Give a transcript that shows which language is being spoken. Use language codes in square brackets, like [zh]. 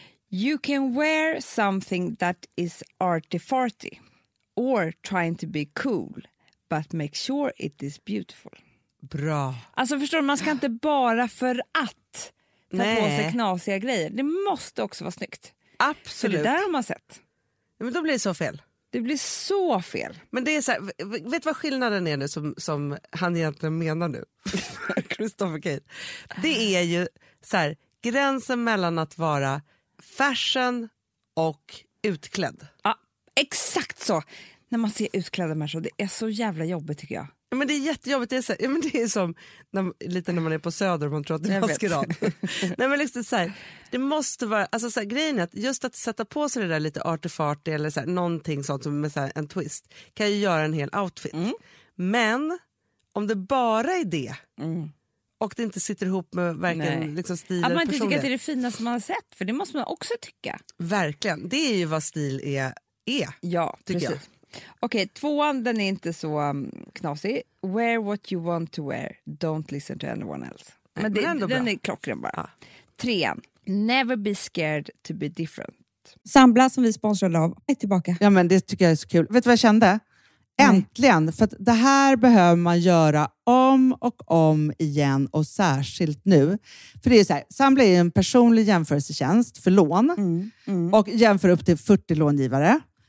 [en] You can wear something that is arty-farty or trying to be cool, but make sure it is beautiful. [sv] Bra. Alltså förstår du, man ska inte bara för att ta på sig knasiga grejer. Det måste också vara snyggt. Absolut. För det där har man sett. Ja, men då blir det så fel. Det blir så fel. Men det är så här, vet vad skillnaden är nu som han egentligen menar nu? Christopher Kane. Det är ju så här, gränsen mellan att vara fashion och utklädd. Ja, exakt så. När man ser utklädda människor, det är så jävla jobbigt tycker jag. Ja, men det är jättejobbigt. Det är, så här, men det är som när, lite när man är på Söder och man tror att det är maskerad. Nej, men liksom så här, det måste vara, alltså så här, grejen är att just att sätta på sig det där lite artifarty eller så här, någonting sånt som med så här, en twist kan ju göra en hel outfit. Mm. Men om det bara är det, mm, och det inte sitter ihop med verkligen liksom stil eller personlighet. Att man inte tycker att det är det finaste man har sett, för det måste man också tycka. Verkligen, det är ju vad stil är. Ja, precis. Okej, tvåan, den är inte så knasig. [en] Wear what you want to wear, don't listen to anyone else. [sv] Men, det, men ändå den bra. Är klockren bara. Ja. [en] Trean, never be scared to be different. [sv] Samla som vi sponsrade av, är tillbaka. Ja, men det tycker jag är så kul. Vet du vad jag kände? Äntligen, för att det här behöver man göra om och om igen och särskilt nu. För det är så här, Samla är en personlig jämförelsetjänst för lån och jämför upp till 40 långivare.